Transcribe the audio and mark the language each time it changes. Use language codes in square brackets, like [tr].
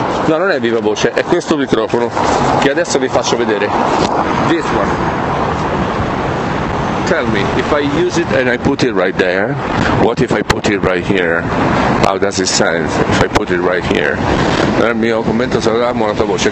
[it] No, non è viva voce, è questo microfono che adesso vi faccio vedere. [en] This one. Tell me, if I use it and I put it right there, what if I put it right here? How does it sound if I put it right here? [it] Non è il mio commento, salutiamo la tua voce.